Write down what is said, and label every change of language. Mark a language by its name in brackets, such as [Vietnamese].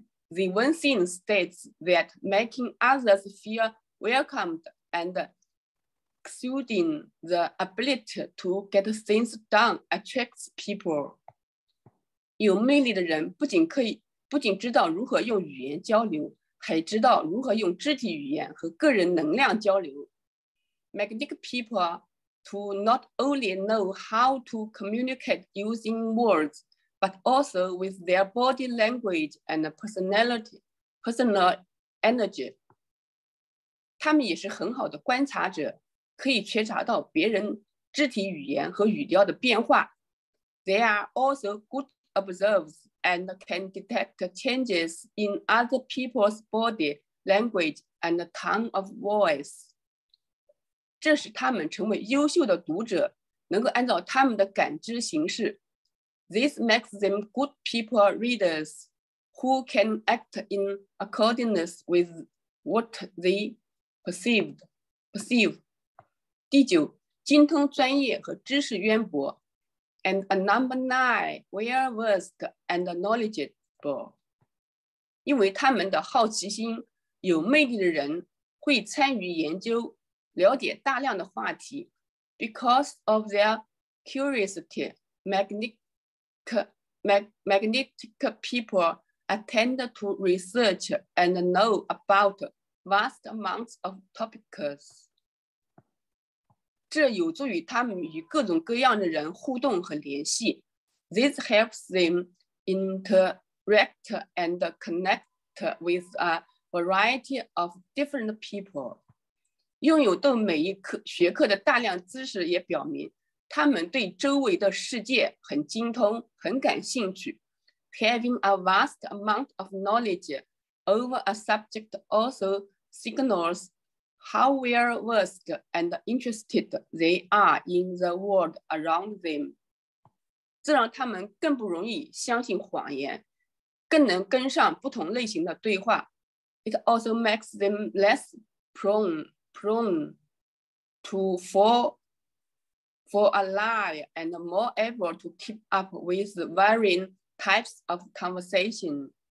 [English] The one thing states that making others feel welcomed and exuding the ability to get things done attracts people. [Chinese] 有魅力的人不仅知道如何用语言交流，还知道如何用肢体语言和个人能量交流。 [English] Magnetic people to not only know how to communicate using words,but also with their body language and personality, personal energy. [Chinese] 他们也是很好的观察者，可以觉察到别人肢体语言和语调的变化。 [English] They are also good observers and can detect changes in other people's body language and tone of voice. [Chinese] 这使他们成为优秀的读者，能够按照他们的感知形式。 [English] This makes them good people readers who can act in accordance with what they perceive. [Chinese] 第九，精通专业和知识渊博。 [English] And number nine, well versed and knowledgeable. [Chinese] 因为他们的好奇心，有魅力的人会参与研究，了解大量的话题。 [English] Because of their curiosity, magnetic people attend to research and know about vast amounts of topics. [Chinese] 这有助于他们与各种各样的人互动和联系。 [English] This helps them interact and connect with a variety of different people. [Chinese] 拥有对每一科学科的大量知识也表明他们对周围的世界很精通，很感兴趣。 [English] Having a vast amount of knowledge over a subject also signals how well versed and interested they are in the world around them. [Chinese] 这让他们更不容易相信谎言，更能跟上不同类型的对话。 [English] It also makes them less prone to fall a lie and more able to keep up with varying types of conversation.